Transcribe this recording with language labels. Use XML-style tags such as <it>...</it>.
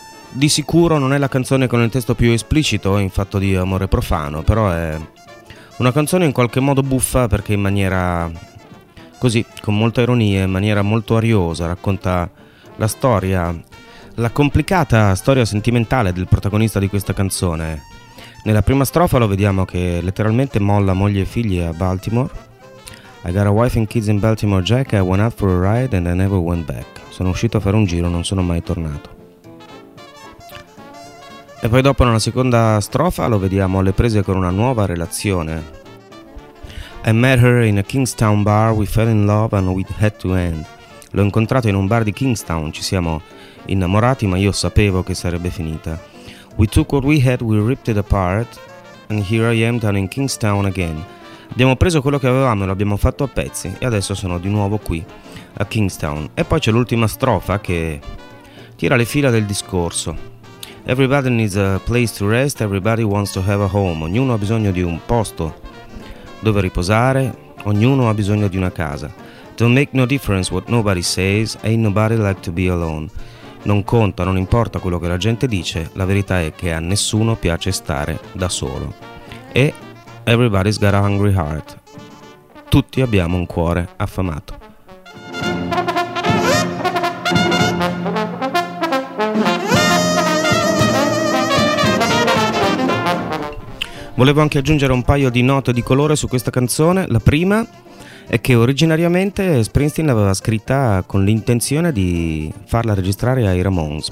<it>Di sicuro non è la canzone con il testo più esplicito in fatto di amore profano, però è una canzone in qualche modo buffa, perché in maniera così, con molta ironia, in maniera molto ariosa, racconta la storia, la complicata storia sentimentale del protagonista di questa canzone. Nella prima strofa lo vediamo che letteralmente molla moglie e figli a Baltimore.</it> <en>I got a wife and kids in Baltimore, Jack. I went out for a ride and I never went back.</en> <it>Sono uscito a fare un giro, non sono mai tornato. E poi dopo, nella seconda strofa, lo vediamo alle prese con una nuova relazione.</it> <en>I met her in a Kingstown bar, we fell in love and we had to end.</en> <it>L'ho incontrato in un bar di Kingstown, ci siamo innamorati ma io sapevo che sarebbe finita.</it> <en>We took what we had, we ripped it apart, and here I am down in Kingstown again.</en> <it>Abbiamo preso quello che avevamo e lo abbiamo fatto a pezzi, e adesso sono di nuovo qui, a Kingstown. E poi c'è l'ultima strofa che tira le fila del discorso.</it> <en>Everybody needs a place to rest, everybody wants to have a home.</en> <it>Ognuno ha bisogno di un posto dove riposare, ognuno ha bisogno di una casa.</it> <en>Don't make no difference what nobody says, ain't nobody like to be alone.</en> <it>Non conta, non importa quello che la gente dice, la verità è che a nessuno piace stare da solo.</it> <en>E everybody's got a hungry heart.</en> <it>Tutti abbiamo un cuore affamato. Volevo anche aggiungere un paio di note di colore su questa canzone. La prima è che originariamente Springsteen l'aveva scritta con l'intenzione di farla registrare ai Ramones.</it>